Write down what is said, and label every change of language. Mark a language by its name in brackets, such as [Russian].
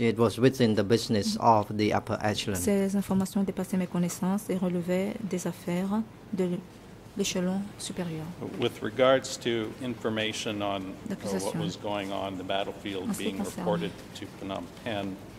[English] It was within the business of the upper echelon. [French] Ces informations dépassaient mes connaissances et relevaient des affaires de l'échelon supérieur. [English] With regards to information on what was going on the battlefield being reported to Phnom Penh,